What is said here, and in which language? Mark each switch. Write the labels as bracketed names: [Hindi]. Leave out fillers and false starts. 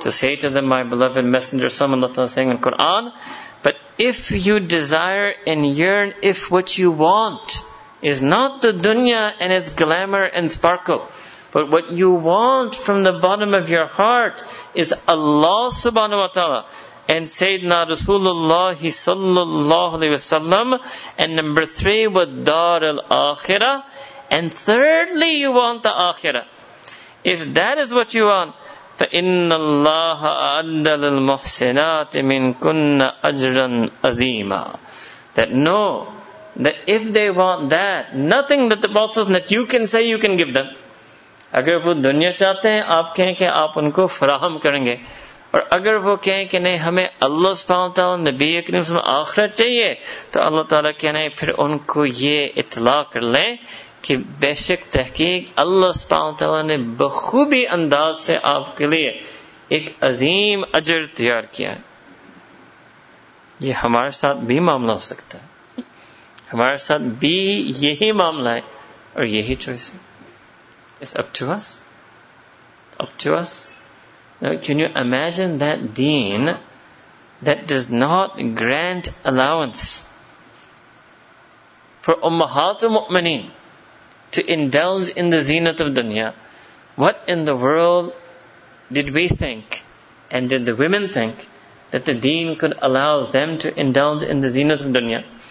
[English] To say to them, my beloved messenger sallallahu alayhi wa sallam, saying in Quran, but if you desire and yearn, if what you want is not the dunya and its glamour and sparkle, but what you want from the bottom of your heart is Allah subhanahu wa ta'ala and Sayyidina Rasulullah sallallahu alayhi wa sallam, and number three, [Arabic] wad-dar al-akhirah, [English] and thirdly, you want the akhirah. If that is what you want, [Arabic] فَإِنَّ اللَّهَ أَعَدَّ لِلْمُحْسِنَاتِ مِنْكُنَّ أَجْرًا أَذِيمًا. [English] That no, that if they want that, nothing that the Prophet says that you can say, you can give them. [Urdu] اگر وہ دنیا چاہتے ہیں, آپ کہیں کہ آپ ان کو فراہم کریں گے. اور اگر وہ کہیں کہ نہیں, ہمیں اللہ سبحانہ وتعالی نبی کریم سے آخرت چاہیے, تو اللہ تعالیٰ کہنا ہے پھر ان کو یہ اطلاع کر لیں کہ بے شک تحقیق اللہ سبحانہ وتعالی نے بخوبی انداز سے آپ کے لیے ایک عظیم اجر تیار کیا ہے. یہ ہمارے ساتھ بھی معاملہ ہو سکتا ہے, ہمارے ساتھ بھی یہی معاملہ ہے اور یہی چوائس ہے. [English] It's up to us. Up to us. Now, can you imagine that deen that does not grant allowance for Ummahatul Mu'mineen to indulge in the zinat of dunya, what in the world did we think, and did the women think, that the deen could allow them to indulge in the zinat of dunya?